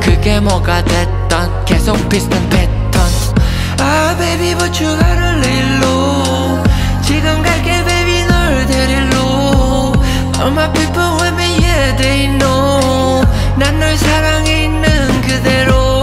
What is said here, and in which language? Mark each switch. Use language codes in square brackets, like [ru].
[ko] 그게 뭐가 됐던 계속 비슷한 패턴. [en] Ah baby but you gotta lay low. [ko] 지금 갈게 baby 널 데리러. [en] All my people with me yeah they know. [ko] 난 널 사랑해 있는 그대로.